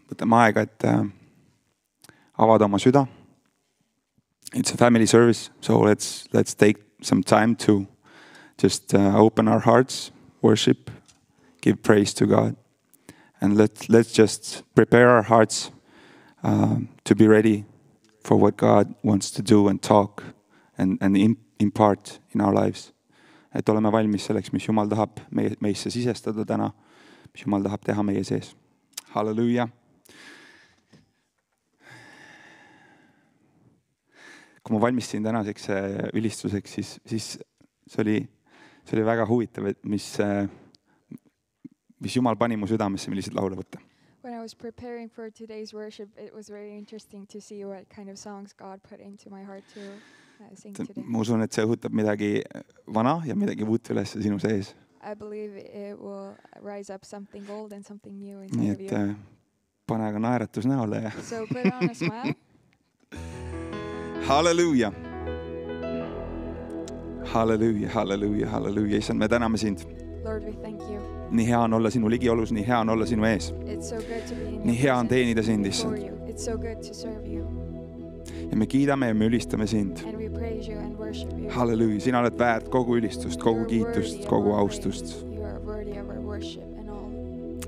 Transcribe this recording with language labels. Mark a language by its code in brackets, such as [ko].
[et] Võtame aega, et avada oma süda. [en] It's a family service, so let's take some time to just open our hearts, worship, give praise to God. And let's just prepare our hearts to be ready for what God wants to do and talk and impart in our lives. [et] Et oleme valmis selleks, mis Jumal tahab meisse sisestada täna, mis Jumal tahab teha meie sees. Halleluja! Kui ma valmistin tänaseks ülistuseks, siis see oli väga huvitav, et mis Jumal pani mu südamesse, millised laule võtta. [en] When I was preparing for today's worship, it was very interesting to see what kind of songs God put into my heart to sing today. [et] Ma usun, et see õhutab midagi vana ja midagi uut üles sinu sees. [en] I believe it will rise up something old and something new inside [et] Nii, et, [en] of you. [et] Pane aga naeratus näole. [en] So put on a smile. [et] Halleluja! Halleluja, halleluja, halleluja. Isan, me täname sind. [en] Lord, we thank you. [et] Nii hea on olla sinu ligiolus, nii hea on olla sinu ees. [en] It's so good to be in [et] nii hea on teenida sind, issand. [en] It's so good to serve you. [et] Ja me kiidame ja me ülistame sind. [en] And we praise you and worship you. [et] Halleluja, sina oled väärt kogu ülistust, kogu kiitust, kogu austust. [en] You are worthy of our worship and all.